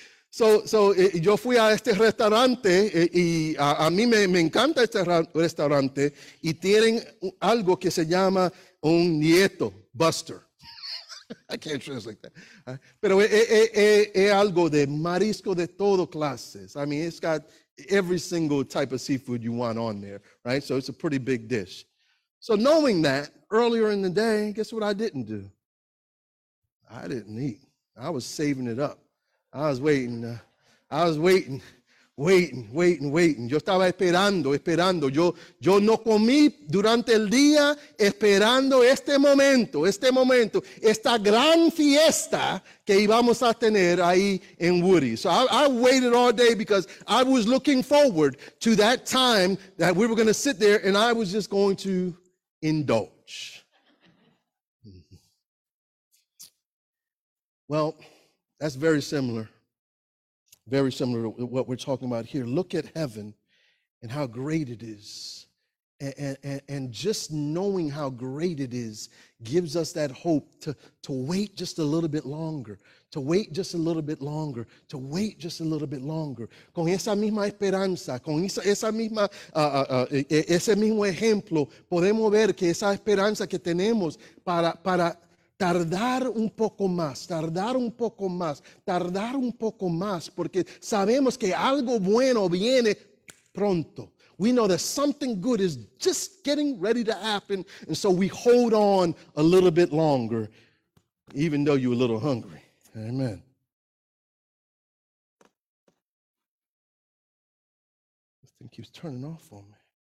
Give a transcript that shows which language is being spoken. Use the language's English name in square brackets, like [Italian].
[Spanish] So yo fui a este restaurante, y a mí me encanta este restaurante, y tienen algo que se llama un nieto buster. [English] I can't translate that. [Spanish] Pero es algo de marisco de todo clases. [English] I mean, it's got every single type of seafood you want on there, right? So it's a pretty big dish. So knowing that, earlier in the day, guess what I didn't do? I didn't eat. I was saving it up. I was waiting. [Spanish] Yo estaba esperando. Yo no comí durante el día esperando este momento, esta gran fiesta que íbamos a tener ahí en Woody. [English] So I waited all day because I was looking forward to that time that we were going to sit there and I was just going to indulge. Well, that's very similar. Very similar to what we're talking about here. Look at heaven and how great it is. And just knowing how great it is gives us that hope to wait just a little bit longer, to wait just a little bit longer, to wait just a little bit longer. [Spanish] Con esa misma esperanza, con esa misma, ese mismo ejemplo, podemos ver que esa esperanza que tenemos para tardar un poco más, tardar un poco más, tardar un poco más, porque sabemos que algo bueno viene pronto. [English] We know that something good is just getting ready to happen, and so we hold on a little bit longer, even though you're a little hungry. Amen. This thing keeps turning off on me.